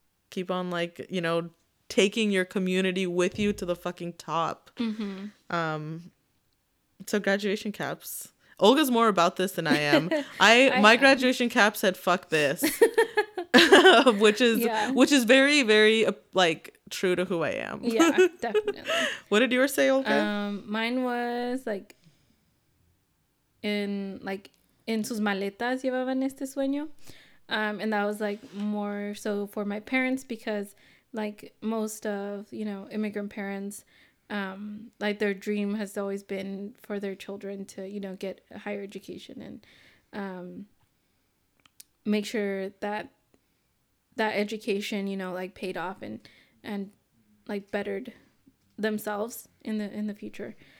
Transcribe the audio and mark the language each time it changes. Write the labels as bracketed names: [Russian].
[English] Keep on, like, you know, taking your community with you to the fucking top. Mm-hmm. So graduation caps. Olga's more about this than I am. My graduation cap said, fuck this. which is very, very, like, true to who I am. Yeah, definitely. What did yours say, Olga? Mine was, like, [Spanish] en sus maletas llevaban este sueño. [English] And that was, like, more so for my parents because, like, most of, you know, immigrant parents, like, their dream has always been for their children to, you know, get a higher education and make sure that education, you know, like, paid off and like, bettered themselves in the future.